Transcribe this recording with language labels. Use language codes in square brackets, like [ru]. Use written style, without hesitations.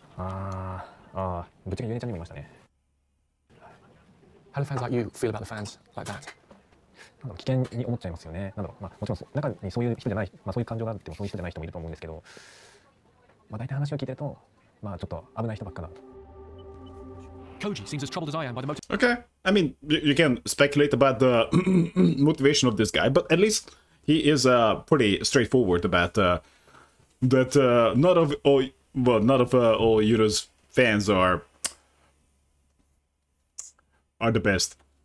[en] How do fans like you feel about the fans like that? [ja] なんか危険に思っちゃいますよね。なんだろう、まあ、もちろん中にそういう人じゃない、まあ、そういう感情があってもそういう人じゃない人もいると思うんですけど、まあ、大体話を聞いてると、まあ、ちょっと危ない人ばっかなと。 [en] Koji seems as troubled as I am by the motive. Okay, I mean, you can speculate about the motivation of this guy, but at least he is pretty straightforward about that not all Yuta's fans are the best.